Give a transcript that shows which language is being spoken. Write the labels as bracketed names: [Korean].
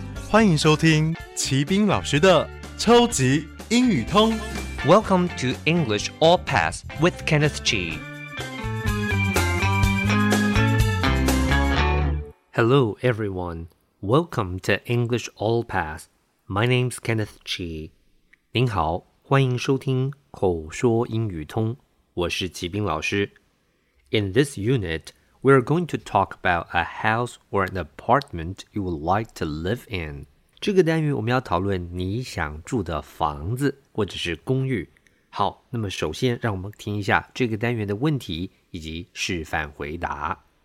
[Chinese] 欢迎收听齐斌老师的超级英语通。 [English] Welcome to English All Pass with Kenneth G. Hello, everyone. Welcome to English All Pass. My name's Kenneth G. [Chinese] 您好，欢迎收听口说英语通。我是齐斌老师。 [English] In this unit, we are going to talk about a house or an apartment you would like to live in. [Chinese] 这个单元我们要讨论你想住的房子或者是公寓。好，那么首先让我们听一下这个单元的问题以及示范回答。